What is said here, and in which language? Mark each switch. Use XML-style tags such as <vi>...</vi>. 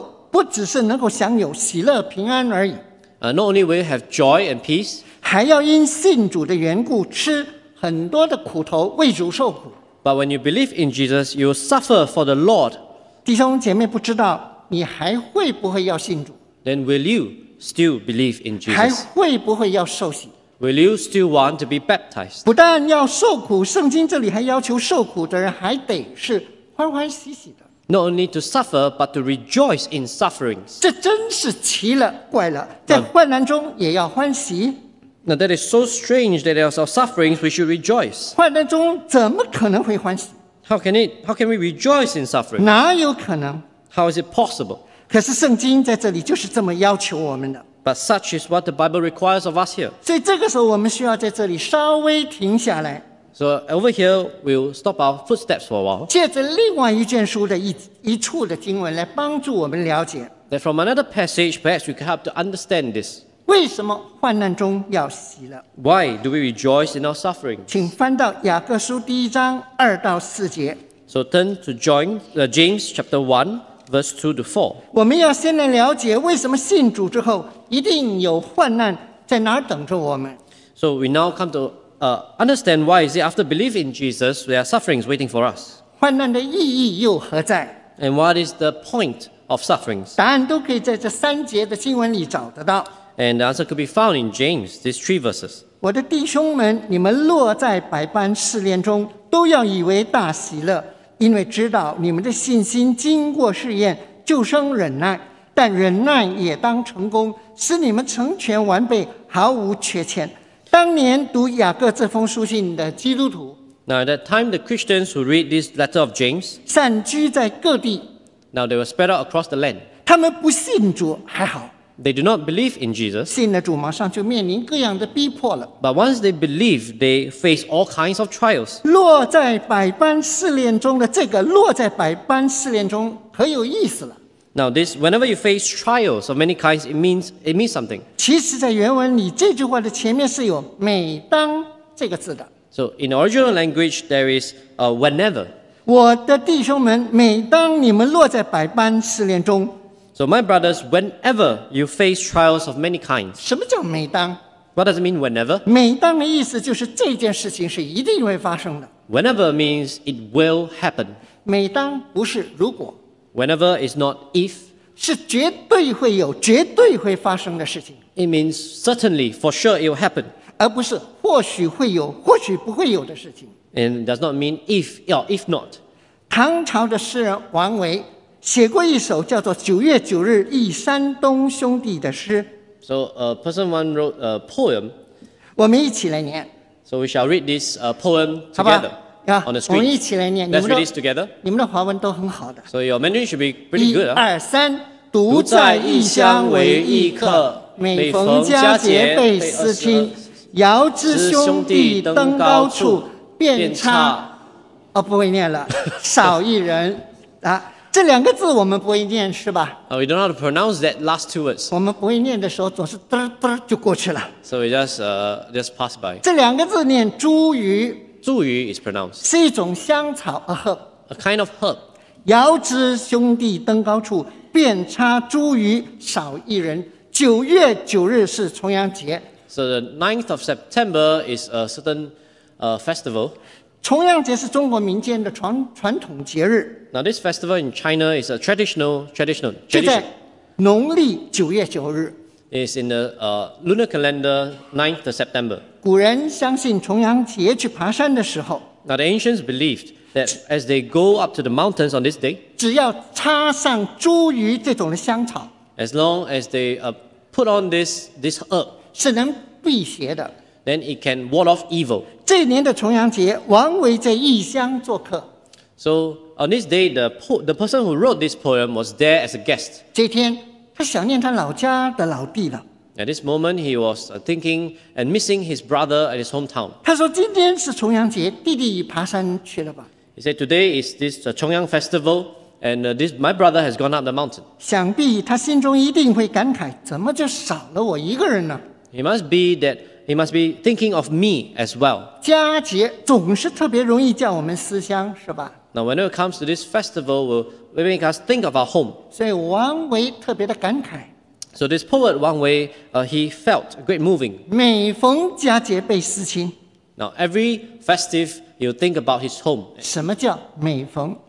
<zh>不只是能够享有喜乐平安而已。</zh> <en>Not only will you have joy and peace,</en> <zh>还要因信主的缘故吃很多的苦头，为主受苦。</zh> <en>But when you believe in Jesus, you suffer for the Lord.</en> <zh>弟兄姐妹，不知道你还会不会要信主？</zh> <en>Then will you still believe in Jesus?</en> <zh>还会不会要受洗？</zh> <en>Will you still want to be baptized?</en> <zh>不但要受苦，圣经这里还要求受苦的人还得是欢欢喜喜的。</zh> <en>Not only to suffer, but to rejoice in sufferings.</en> <zh>这真是奇了怪了，在患难中也要欢喜。</zh> <en>Now that is so strange that as our sufferings we should rejoice.</en> <zh>患难中怎么可能会欢喜？</zh> <en>How can we rejoice in suffering?</en> <zh>哪有可能？</zh> <en>How is it possible?</en> <zh>可是圣经在这里就是这么要求我们的。</zh> <en>But such is what the Bible requires of us here.</en> <zh>所以这个时候我们需要在这里稍微停下来。</zh> <en>So over here, we'll stop our footsteps for a while.</en> <zh>借着另外一卷书的一处的经文来帮助我们了解。</zh> <en>That from another passage, perhaps we can help to understand this.</en> <zh>为什么患难中要喜乐？</zh> <en>Why do we rejoice in our suffering?</en> <zh>请翻到雅各书第一章二到四节。</zh> <en>So turn to James chapter 1, verse 2 to 4.</en> <zh>我们要先来了解为什么信主之后一定有患难在哪儿等着我们。</zh> <en>So we now come to understand why is it after believing in Jesus, there are sufferings waiting for us.</en> <zh>患难的意义又何在？</zh> <en>And what is the point of sufferings?</en> <zh>答案都可以在这三节的经文里找得到。</zh> <en>And the answer could be found in James, these three verses.</en> <zh>我的弟兄们，你们落在百般试炼中，都要以为大喜乐，因为知道你们的信心经过试验，就生忍耐。但忍耐也当成功，使你们成全完备，毫无缺欠。当年读雅各这封书信的基督徒</zh> <en>Now at that time, the Christians who read this letter of James</en> <zh>散居在各地</zh> <en>Now they were spread out across the land</en> <zh>他们不信主还好</zh> <en>They do not believe in Jesus</en> <zh>信了主马上就面临各样的逼迫了</zh> <en>But once they believe, they face all kinds of trials</en> <zh>落在百般试炼中的这个落在百般试炼中可有意思了</zh> <en>Now this, whenever you face trials of many kinds, it means something</en> <zh>其实在原文里这句话的前面是有每当这个字的。</zh> <en>So in original language, there is a whenever.</en> <zh>我的弟兄们，每当你们落在百般试炼中。</zh> <en>So my brothers, whenever you face trials of many kinds.</en> <zh>什么叫每当？</zh> <en>What does it mean whenever?</en> <zh>每当的意思就是这件事情是一定会发生的。</zh> <en>Whenever means it will happen.</en> <zh>每当不是如果。</zh> <en>Whenever is not if.</en> <zh>是绝对会有，绝对会发生的事情。</zh> <en>It means certainly, for sure, it will happen.</en> <zh>而不是或许会有，或许不会有的事情。</zh> <en>And does not mean if or if not.</en> <zh>唐朝的诗人王维写过一首叫做《九月九日忆山东兄弟》的诗。</zh> <en>So a person one wrote a poem.</en> <zh>我们一起来念。</zh> <en>So we shall read this poem together.</en> <zh>好吧。</zh> <en>On the screen.</en> <zh>我们一起来念。</zh> <en>Let's read this together.</en> <zh>你们的华文都很好的。</zh> <en>So your Mandarin should be pretty good.</en> <zh>一二三，独在异乡为异客，每逢佳节倍思亲。遥知兄弟登高处，遍插。哦，不会念了，少一人啊。这两个字我们不会念是吧？</zh> <en>We don't know how to pronounce that last two words.</en> <zh>我们不会念的时候总是嘚嘚就过去了。</zh> <en>So we just pass by.</en> <zh>这两个字念茱萸。</zh> <en>茱萸 is pronounced.</en> <zh>是一种香草 ，</zh> <en>a herb. A kind of herb.</en> <zh>遥知兄弟登高处，遍插茱萸少一人。九月九日是重阳节。</zh> <en>So the 9th of September is a certain festival.</en> <zh>重阳节是中国民间的传统节日。</zh> <en>Now this festival in China is a traditional tradition.</en> <zh>就在农历九月九日。</zh> <en>It's in the lunar calendar 9th of September.</en> <zh>古人相信重阳节去爬山的时候。</zh> <en>Now the ancients believed that as they go up to the mountains on this day,</en> <zh>只要插上茱萸这种的香草。</zh> <en>As long as they put on this herb,</en> <zh>是能辟邪的。</zh> <en>Then it can ward off evil.</en> <zh>这年的重阳节，王维在异乡做客。</zh> <en>So on this day, the person who wrote this poem was there as a guest.</en> <zh>这天，他想念他老家的老弟了。</zh> <en>At this moment, he was thinking and missing his brother at his hometown.</en> <zh>他说：“今天是重阳节，弟弟爬山去了吧？”</zh> <en>He said, "Today is this Chongyang festival, and my brother has gone up the mountain."</en> <zh>想必他心中一定会感慨：“怎么就少了我一个人呢？”</zh> <en>He must be thinking of me as well.</en> <zh>佳节总是特别容易叫我们思乡，是吧？</zh> <en>Now, whenever it comes to this festival, will make us think of our home.</en> <zh>所以王维特别的感慨。</zh> <en>So this poet Wang Wei, he felt great moving.</en> <zh>每逢佳节倍思亲。</zh> <en>Now every festive, you think about his home.</en> <zh>什么叫每逢</zh>